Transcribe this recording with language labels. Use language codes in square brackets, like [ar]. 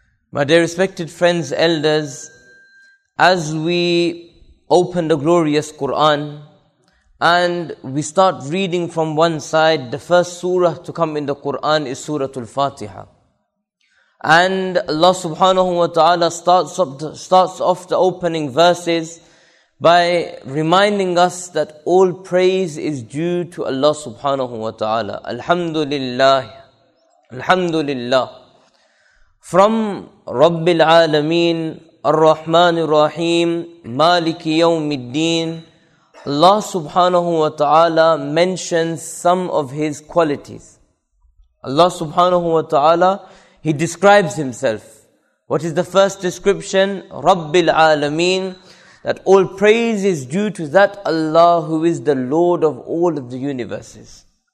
[en] My dear respected friends, elders, as we open the glorious Quran and we start reading from one side, the first surah to come in the Quran is Suratul Fatiha. And Allah subhanahu wa ta'ala starts off the opening verses by reminding us that all praise is due to Allah subhanahu wa ta'ala. Alhamdulillah. Alhamdulillah. [ar] From Rabbil Alameen, الرحمن الرحيم مالك يوم الدين. [en] Allah subhanahu wa ta'ala mentions some of his qualities. Allah subhanahu wa ta'ala, he describes himself. What is the first description? Rabbil Alameen, that all praise is due to that Allah who is the Lord of all of the universes.